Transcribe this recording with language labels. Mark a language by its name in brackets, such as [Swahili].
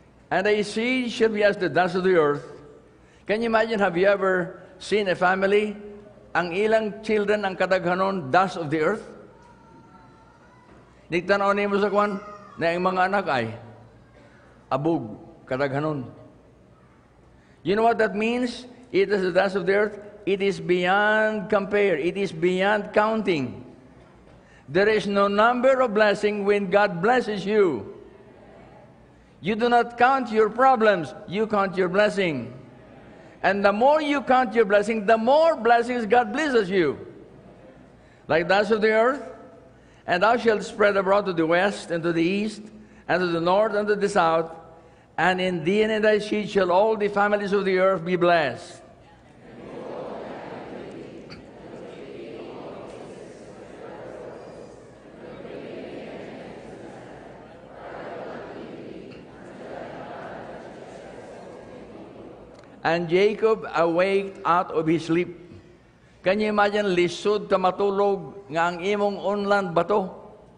[English] And a seed shall be as the dust of the earth. Can you imagine, have you ever seen a family? [Cebuano] Ang ilang [English] children [Cebuano] ang kadaghanon, [English] dust of the earth? [Cebuano] Nigtanaw niyo sa kwan, na ang mga anak ay abog, kadaghanon. [English] You know what that means? It is the dust of the earth. It is beyond compare. It is beyond counting. There is no number of blessing when God blesses you. You do not count your problems, you count your blessing. And the more you count your blessing, the more blessings God blesses you. Like dust of the earth, and thou shalt spread abroad to the west, and to the east, and to the north, and to the south, and in thee and in thy seed shall all the families of the earth be blessed. And Jacob awaked out of his sleep. Can you imagine, [Cebuano] lisod ka matulog nga ang imong unlan bato?